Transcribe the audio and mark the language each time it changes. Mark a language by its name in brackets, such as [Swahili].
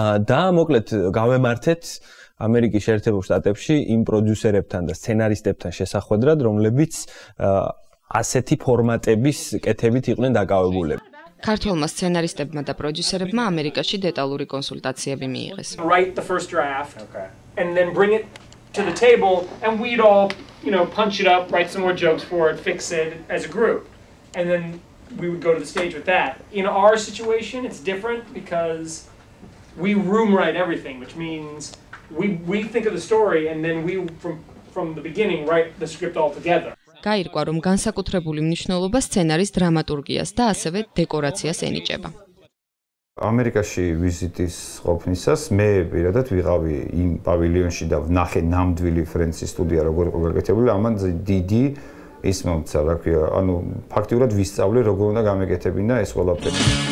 [Georgian] და მოკლედ გავემართეთ ამერიკის შეერთებულ შტატებში იმ პროდიუსერებთან და სცენარისტებთან შესახვედრად, რომლებიც ასეთი ფორმატების კეთებით იყვნენ დაკავებულები. ქართველმა სცენარისტებმა და პროდიუსერებმა ამერიკაში დეტალური კონსულტაციები მიიღეს. [English] Write the first draft and then bring it to the table and we'd all, you know, punch it up, write some more jokes for it, fix it as a group. And then we would go to the stage with that. In our situation it's different because we room write everything, which means we think of the story and then we from the beginning write the script all together. [Georgian] გაირკვა, რომ განსაკუთრებული მნიშვნელობა სცენარის დრამატურგიას და ასევე დეკორაციას ენიჭება. ამერიკაში ვიზიტის ყოფნისას მე პირადად ვიღავი იმ პავილიონში და ვნახე ნამდვილი ფრენცის სტუდია როგორ იყო გაკეთებული, ამან დიდი ის მომცა, რა ქვია, ანუ ფაქტიურად ვისწავლე როგორ უნდა გამეკეთებინა ეს ყველაფერი.